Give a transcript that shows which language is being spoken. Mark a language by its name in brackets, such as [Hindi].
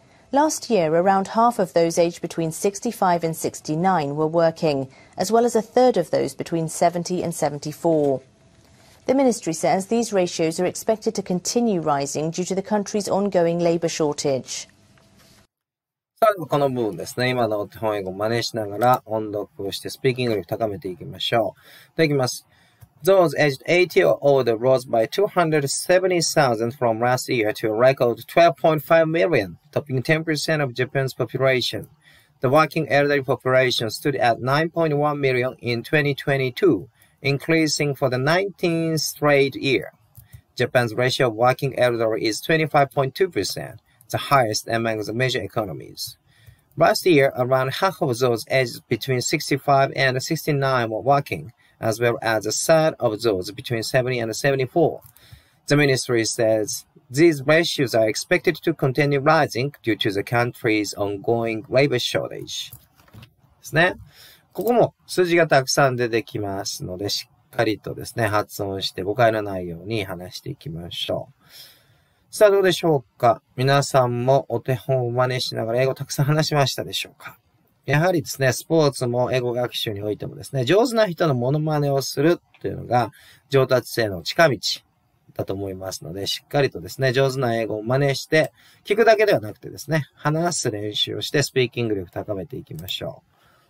[English] Last year, around half of those aged between 65 and 69 were working, as well as a third of those between 70 and 74. The ministry says these ratios are expected to continue rising due to the country's ongoing labor shortage. [Japanese] この部分ですね。今のお手本英語を真似しながら音読をしてスピーキング力を高めていきましょう。では、いきます。 [English] Those aged 80 or older rose by 270,000 from last year to a record 12.5 million, topping 10% of Japan's population. The working elderly population stood at 9.1 million in 2022, increasing for the 19th straight year. Japan's ratio of working elderly is 25.2%, the highest among the major economies. Last year, around half of those aged between 65 and 69 were working,as well as a third of those between 70 and 74. The ministry says these ratios are expected to continue rising due to the country's ongoing labor shortage. [Japanese] ですね。ここも数字がたくさん出てきますので、しっかりとですね、発音して誤解のないように話していきましょう。さあ、どうでしょうか？皆さんもお手本を真似しながら英語たくさん話しましたでしょうか？やはりですね、スポーツも英語学習においてもですね、上手な人のモノマネをするというのが上達への近道だと思いますので、しっかりとですね、上手な英語を真似して、聞くだけではなくてですね、話す練習をしてスピーキング力高めていきましょう。